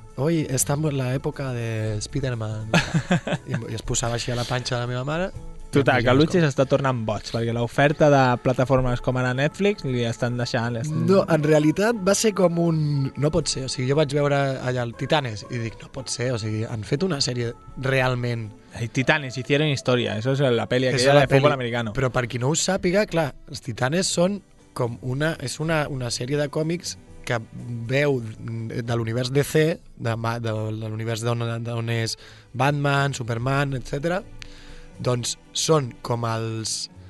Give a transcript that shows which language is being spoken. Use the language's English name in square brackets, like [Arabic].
[Catalan] Oi, està en l'època de Spider-Man. I es posava així a la panxa de la meva mare. Total, que Luigi s'està tornant boig, perquè l'oferta de plataformes com ara Netflix li estan deixant... No, en realitat va ser com un... No pot ser, o sigui, jo vaig veure allà el Titanes i dic, no pot ser, o sigui, han fet una sèrie realment... [Spanish] Ay, Titanes, hicieron historia, eso es la peli aquella de fútbol americano. [Catalan] Però per qui no ho sàpiga, clar, els Titanes són com una... És una sèrie de còmics que veu de l'univers DC, de l'univers d'on és Batman, Superman, etc. Doncs són com els...